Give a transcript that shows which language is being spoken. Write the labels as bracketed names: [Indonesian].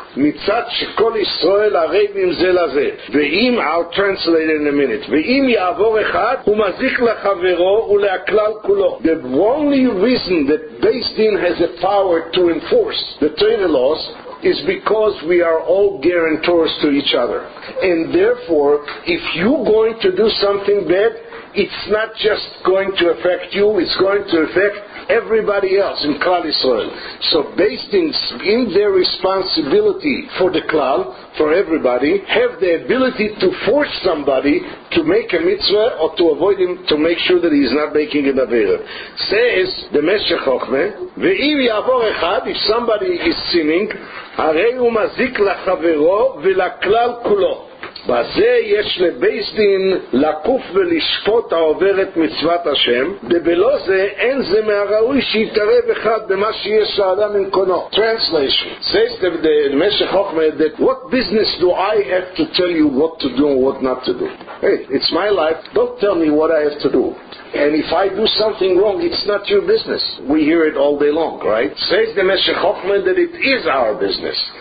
[Hebrew] מצד שכל ישראל ערבים זה לזה. ואם, [English] I'll translate in a minute, [Hebrew] ואם יעבור אחד, הוא מזיק לחברו ולהכלל כולו. [English] The only reason that Beis Din has a power to enforce the Torah laws is because we are all guarantors to each other. And therefore, if you're going to do something bad, it's not just going to affect you, it's going to affect everybody else in Klal Yisrael. So Beis Din, in their responsibility for the Klal, for everybody, have the ability to force somebody to make a mitzvah or to avoid him, to make sure that he's not making an avera. Says the [Hebrew] Meshech Chochmeh, ve'im yavor echad, [English] if somebody is sinning, [Hebrew] הרי הוא מזיק לחברו ולכלל כולו. בזה יש לבייס דין לקוף ולשפוט העובר את מצוות השם, ובלא זה אין זה מהראוי שיתערב אחד במה שיש לאדם עם קונו. [English] Translation. Says the Meshech Chochmeh that what business do I have to tell you what to do and what not to do? Hey, it's my life. Don't tell me what I have to do. And if I do something wrong, it's not your business. We hear it all day long, right? Says the Meshech Chochmeh that it is our business.